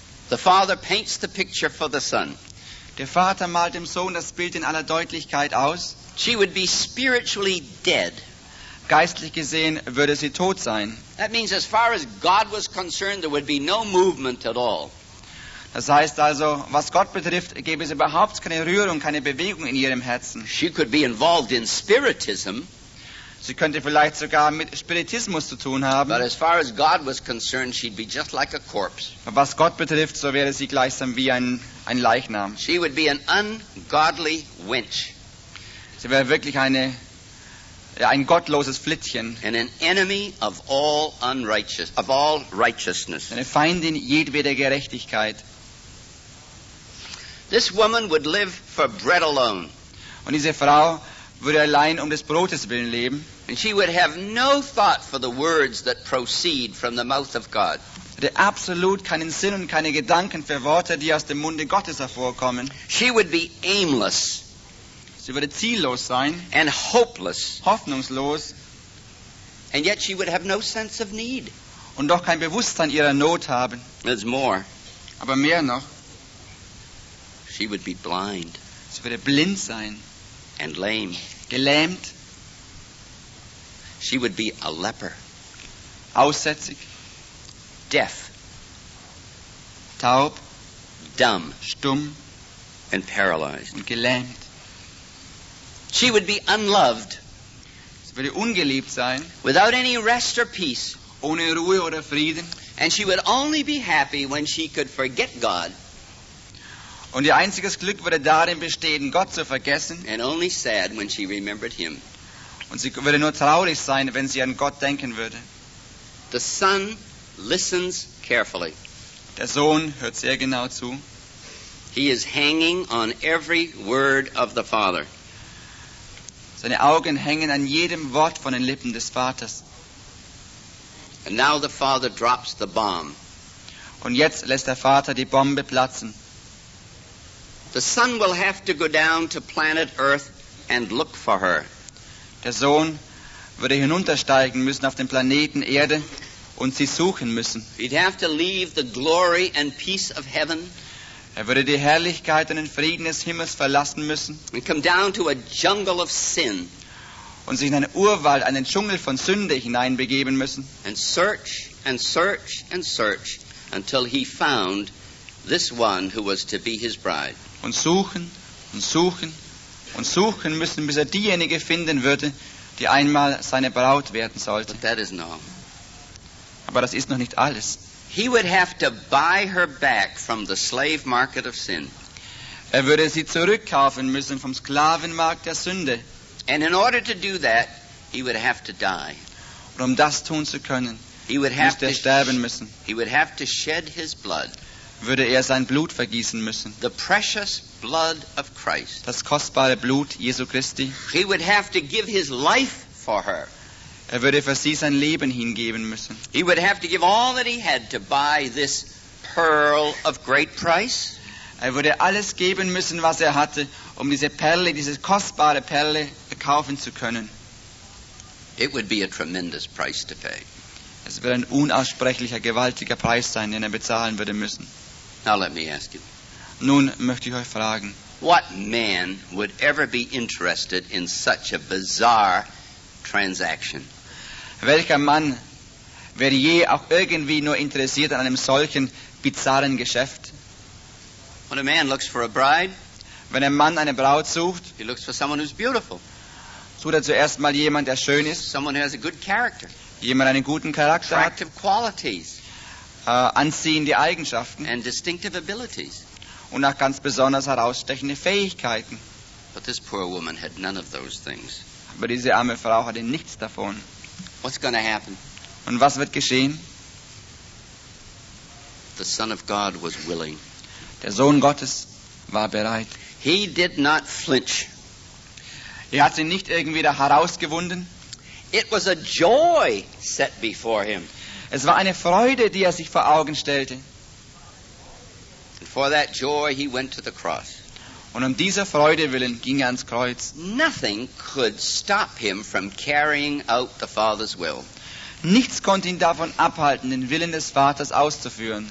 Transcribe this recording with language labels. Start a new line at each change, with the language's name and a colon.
English: The Father paints the picture for the Son.
German: Der Vater malt dem Sohn das Bild in aller Deutlichkeit aus.
English: She would be spiritually dead.
German: Geistlich gesehen würde sie tot sein.
English: That means as far as God was concerned, there would be no movement at all.
German: Das heißt also, was Gott betrifft, gäbe es überhaupt keine Rührung, keine Bewegung in ihrem Herzen.
English: She could be involved in Spiritism.
German: Sie könnte vielleicht sogar mit Spiritismus zu tun haben.
English: But as far as God was concerned, she'd be just like a corpse.
German: Was Gott betrifft, so wäre sie gleichsam wie ein Leichnam.
English: She would be an ungodly wench.
German: Sie wäre wirklich ein gottloses Flittchen.
English: And an enemy of all unrighteous, of all righteousness.
German: Eine Feindin jedweder Gerechtigkeit.
English: This woman would live for bread alone.
German: Und diese Frau würde allein um des Brotes willen leben.
English: And she would have no thought for the words that proceed from the mouth of God.
German: Hätte absolut keinen Sinn und keine Gedanken für Worte, die aus dem Munde Gottes hervorkommen.
English: She would be aimless.
German: Sie würde ziellos sein.
English: And hopeless.
German: Hoffnungslos.
English: And yet she would have no sense of need.
German: Und doch kein Bewusstsein ihrer Not haben.
English: There's more.
German: Aber mehr noch.
English: She would be blind.
German: Sie würde blind sein.
English: And lame.
German: Gelähmt.
English: She would be a leper.
German: Aussätzig.
English: Deaf.
German: Taub.
English: Dumb.
German: Stumm.
English: And paralyzed.
German: Und gelähmt.
English: She would be unloved.
German: Sie würde ungeliebt sein.
English: Without any rest or peace.
German: Ohne Ruhe oder Frieden.
English: And she would only be happy when she could forget God.
German: Und ihr einziges Glück würde darin bestehen, Gott zu vergessen.
English: And only sad when she remembered him.
German: Und sie würde nur traurig sein, wenn sie an Gott denken würde.
English: The son listens carefully.
German: Der Sohn hört sehr genau zu.
English: He is hanging on every word of the father.
German: Seine Augen hängen an jedem Wort von den Lippen des Vaters.
English: And now the father drops the bomb.
German: Und jetzt lässt der Vater die Bombe platzen.
English: The son will have to go down to planet Earth and look for her.
German: Der Sohn würde hinuntersteigen müssen auf den Planeten Erde und sie suchen müssen.
English: He'd have to leave the glory and peace of heaven.
German: Er würde die Herrlichkeit und den Frieden des Himmels verlassen müssen.
English: And come down to a jungle of sin.
German: Und sich in einen Urwald, einen Dschungel von Sünde hineinbegeben müssen.
English: And search and search and search until he found this one who was to be his bride.
German: Und suchen und suchen und suchen müssen, bis er diejenige finden würde, die einmal seine Braut werden sollte.
English: But that is not.
German: Aber das ist noch nicht alles.
English: He would have to buy her back from the slave market of sin.
German: Er würde sie zurückkaufen müssen vom Sklavenmarkt der Sünde.
English: And in order to do that, he would have to die.
German: Und um das tun zu können, müsste er sterben müssen.
English: He would have to shed his blood.
German: Würde er sein Blut vergießen müssen.
English: The precious blood of Christ.
German: Das kostbare Blut Jesu Christi.
English: He would have to give his life for her.
German: Er würde für sie sein Leben hingeben müssen.
English: He would have to give all that he had to buy this pearl of great price.
German: Er würde alles geben müssen, was er hatte, um diese Perle, diese kostbare Perle kaufen zu können.
English: It would be a tremendous price to pay.
German: Es würde ein unaussprechlicher, gewaltiger Preis sein, den er bezahlen würde müssen.
English: Now let me ask you.
German: Nun möchte ich euch fragen.
English: What man would ever be interested in such a bizarre transaction?
German: Welcher Mann wäre je auch irgendwie nur interessiert an einem solchen bizarren Geschäft?
English: When a man looks for a bride,
German: wenn ein Mann eine Braut sucht,
English: he looks for someone who's beautiful.
German: Sucht er zuerst mal jemand, der schön ist.
English: Someone who has a good character.
German: Jemand einen guten Charakter hat.
English: Attractive qualities.
German: Anziehende Eigenschaften.
English: And distinctive abilities.
German: Und auch ganz besonders herausstechende Fähigkeiten.
English: But this poor woman had none of those things.
German: Aber diese arme Frau hatte nichts davon.
English: What's gonna happen?
German: Und was wird geschehen?
English: The Son of God was willing.
German: Der Sohn Gottes war bereit.
English: He did not flinch.
German: Er hat sie nicht irgendwie da herausgewunden.
English: It was a joy set before him.
German: Es war eine Freude, die er sich vor Augen stellte.
English: And for that joy he went to the cross.
German: Und um dieser Freude willen ging er ans Kreuz.
English: Nothing could stop him from carrying out the Father's will.
German: Nichts konnte ihn davon abhalten, den Willen des Vaters auszuführen.